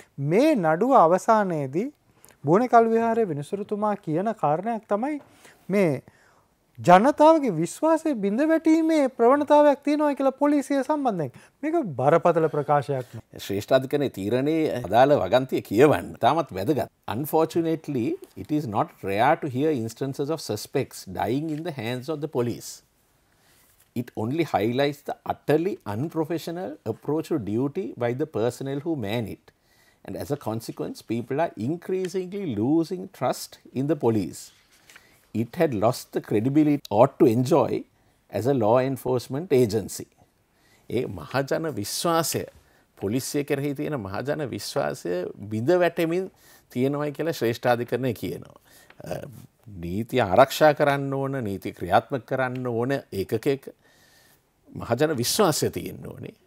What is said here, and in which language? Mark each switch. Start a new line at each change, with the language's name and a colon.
Sinhala: මේ නඩුව අවසානයේදී බුවන කල් විහාරයේ විනිසුරතුමා කියන කාරණයක් තමයි මේ ජනතාවගේ විශ්වාසය බිඳ වැටීමේ ප්‍රවණතාවයක් තියෙනවා කියලා පොලිසිය සම්බන්ධයෙන්. මේක බරපතල ප්‍රකාශයක්. ශ්‍රේෂ්ඨාධිකරණයේ තීරණයේ අදාළ වගන්තිය කියවන්න තාමත් වැදගත්.
English: Unfortunately, it is not rare to hear instances of suspects dying in the hands of the police. It only highlights the utterly unprofessional approach to duty by the personnel who man it. And as a consequence, people are increasingly losing trust in the police. It had lost the credibility ought to enjoy as a law enforcement agency.
Sinhala: ඒ මහජන විශ්වාසය පොලිසිය කෙරෙහි තියෙන මහජන විශ්වාසය බිඳ වැටෙමින් තියෙනවායි කියලා ශ්‍රේෂ්ඨාධිකරණය කියනවා. නීතිය ආරක්ෂා කරන්න ඕන නීති ක්‍රියාත්මක කරන්න ඕන ඒකකයක මහජන විශ්වාසය තියෙන්න ඕනේ.